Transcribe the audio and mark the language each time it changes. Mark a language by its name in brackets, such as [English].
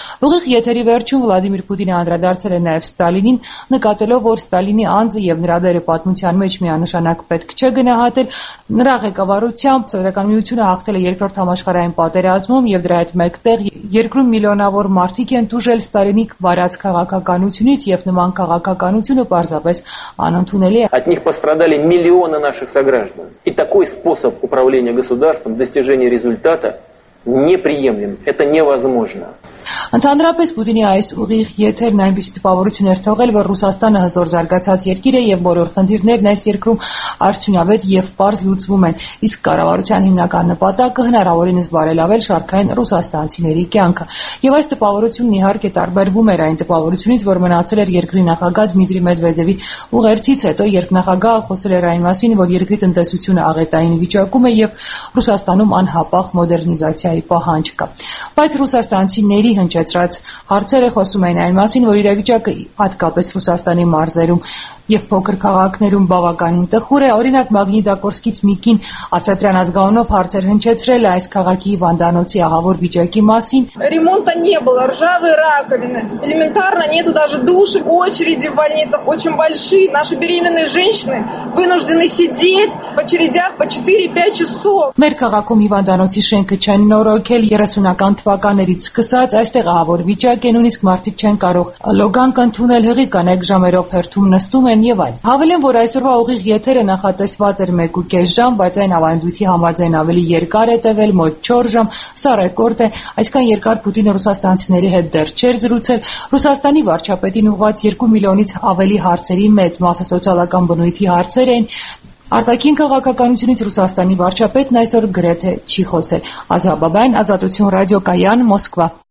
[Armenian] Ուղիղ եթերի վերջում Վլադիմիր Պուտինը անդրադարձել է նաեւ Ստալինին, նկատելով, որ Ստալինի անձը եւ նրա դերը պատմության մեջ միանշանակ պետք չէ գնահատել, նրա ղեկավարությամբ սովետական միությունը հաղթել է երկրորդ համաշխարհային պատերազմում եւ դրա հետ մեկտեղ երկրում միլիոնավոր մարդիկ են տուժել Ստալինի վարած քաղաքականությունից եւ նման քաղաքականությունը պարզապես անընդունելի է։ [Russian] От них пострадали миллионы наших сограждан. И такой способ управления государством, достижения результата неприемлем. Это невозможно. [Armenian] Ընդհանրապես Պուտինի այս ուղիղ եթերն այնպիսի տպավորություն էր թողել, որ Ռուսաստանը հզոր զարգացած երկիր է եւ բոլոր խնդիրներն այս երկրում արդյունավետ եւ պարզ լուծվում են, իսկ կառավարության հիմնական նպատակը հնարավորինս բարելավել շարքային ռուսաստանցիների կյանքը։ Եվ այս տպավորությունն իհարկե տարբերվում էր այն տպավորությունից, որ մնացել էր երկրի նախագահ Դմիտրի Մեդվեդևի ուղերձից հետո, երբ նախագահը խոսել էր այն մասին, որ երկրի տնտեսությունը աղետային վիճակում է եւ Ռուսաստանում անհապաղ մոդեռնիզացիայի պահանջ կա։ Բայց ռուսաստանցիների հնչեցրած հարցերը խոսում են այն մասին, որ իրավիճակը հատկապես Ռուսաստանի մարզերում եւ փոքր քաղաքներում բավականին տխուր է, օրինակ Մագնիտակորսկից Միկին Ասատրյան ազգանունով հարցեր հնչեցրել այս քաղաքի Վանդանոցի ահավոր վիճակի մասին։ [Russian] Ремонта не было, ржавые раковины, элементарно нету даже душа, очереди в больницах очень большие, наши беременные женщины вынуждены сидеть в очередях по 4-5 часов։ [Armenian] Մեր քաղաքում Վանդանոցի շենքը չեն նորոգել 30-ական թվականներից սկսած, այստեղ ահավոր վիճակ է, նույնիսկ մարդիկ չեն կարող լոգանք ընդունել, հղի կան այդ ժամերով հերթում նստում է են եւ այլ։ Հավելեմ, որ այսօրվա ուղիղ եթերը նախատեսված էր 1.5 ժամ, բայց այն ավանդույթի համաձայն ավելի երկար է տևել՝ մոտ 4 ժամ, սա ռեկորդ է։ Այսքան երկար Պուտինը ռուսաստանցիների հետ դեռ չէր զրուցել։ Ռուսաստանի վարչապետին ուղված 2 միլիոնից ավելի հարցերի մեծ մասը սոցիալական բնույթի հարցեր էին։ Արտաքին քաղաքականությունից Ռուսաստանի վարչապետն այսօր գրեթե չի խոսել։ Ազա Բաբայան, Ազատություն ռադիոկայան, Մոսկվա։